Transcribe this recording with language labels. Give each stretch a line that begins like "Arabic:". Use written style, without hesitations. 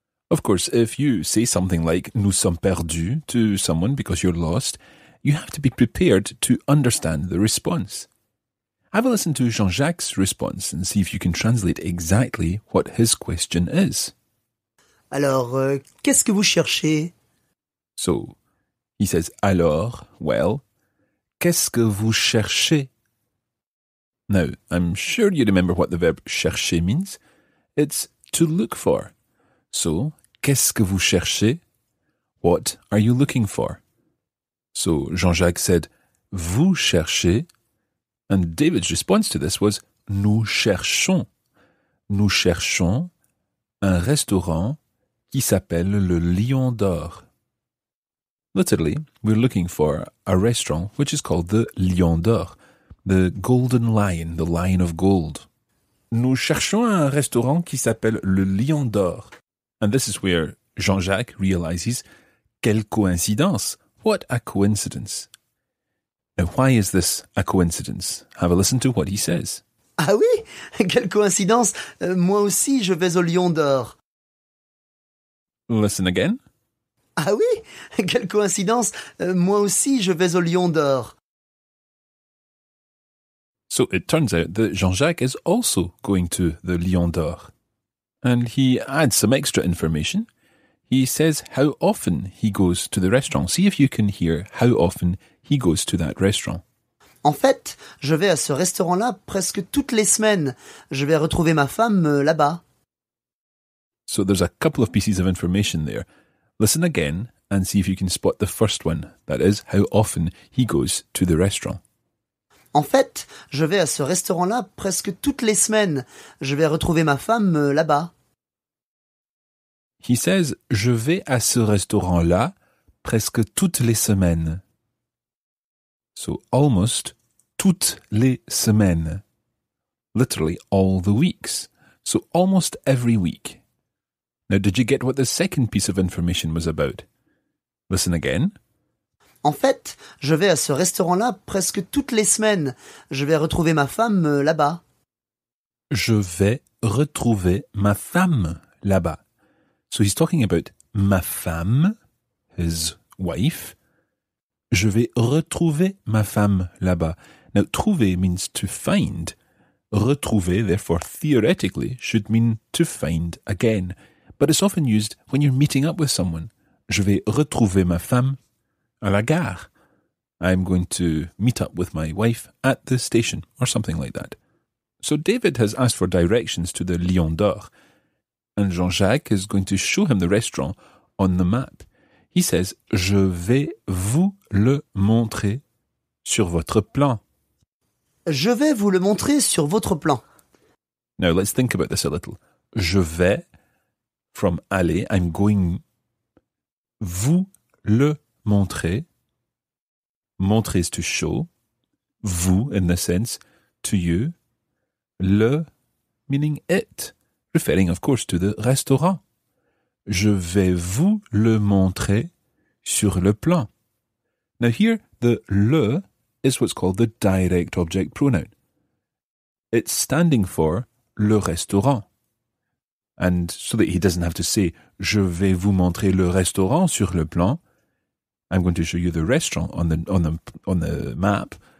English: Of course, if you say something like
French: nous sommes perdus
English: to someone because you're lost, you have to be prepared to understand the response. Have a listen to Jean-Jacques' response and see if you can translate exactly what his question is.
French: Alors, qu'est-ce que vous cherchez?
English: So, he says,
French: alors,
English: well,
French: qu'est-ce que vous cherchez?
English: Now, I'm sure you remember what the verb chercher means. It's to look for. So,
French: qu'est-ce que vous cherchez?
English: What are you looking for? So, Jean-Jacques said,
French: vous cherchez.
English: And David's response to this was,
French: nous cherchons. Nous cherchons un restaurant qui s'appelle le Lion d'Or.
English: Literally, we're looking for a restaurant which is called the Lion d'Or, the Golden Lion, the Lion of Gold.
French: Nous cherchons un restaurant qui s'appelle le Lion d'Or.
English: And this is where Jean-Jacques realizes,
French: quelle coïncidence!
English: What a coincidence! Now, why is this a coincidence? Have a listen to what he says.
French: Ah oui, quelle coïncidence! Moi aussi, je vais au Lion d'Or.
English: Listen again.
French: Ah oui, quelle coïncidence! Moi aussi, je vais au Lion d'Or.
English: So it turns out that Jean-Jacques is also going to the Lion d'Or. And he adds some extra information. He says how often he goes to the restaurant. See if you can hear how often he goes to that restaurant.
French: En fait, je vais à ce restaurant-là presque toutes les semaines. Je vais retrouver ma femme là-bas.
English: So there's a couple of pieces of information there. Listen again and see if you can spot the first one. That is, how often he goes to the restaurant.
French: En fait, je vais à ce restaurant-là presque toutes les semaines. Je vais retrouver ma femme là-bas.
English: He says,
French: je vais à ce restaurant-là presque toutes les semaines.
English: So, almost
French: toutes les semaines.
English: Literally, all the weeks. So, almost every week. Now, did you get what the second piece of information was about? Listen again.
French: En fait, je vais à ce restaurant-là presque toutes les semaines. Je vais retrouver ma femme là-bas. Je vais retrouver ma femme là-bas.
English: So he's talking about
French: ma femme,
English: his wife.
French: Je vais retrouver ma femme là-bas.
English: Now, trouver means to find. Retrouver, therefore, theoretically, should mean to find again. But it's often used when you're meeting up with someone.
French: Je vais retrouver ma femme à la gare.
English: I'm going to meet up with my wife at the station, or something like that. So David has asked for directions to the Lion d'Or, and Jean-Jacques is going to show him the restaurant on the map. He says,
French: je vais vous le montrer sur votre plan. Je vais vous le montrer sur votre plan.
English: Now, let's think about this a little.
French: Je vais,
English: from aller, I'm going,
French: vous le montrer.
English: Montrer is to show. Vous, in the sense, to you. Le, meaning it, referring, of course, to the restaurant.
French: Je vais vous le montrer sur le plan.
English: Now here, the le is what's called the direct object pronoun. It's standing for le restaurant. And so that he doesn't have to say,
French: je vais vous montrer le restaurant sur le plan.
English: I'm going to show you the restaurant on the map.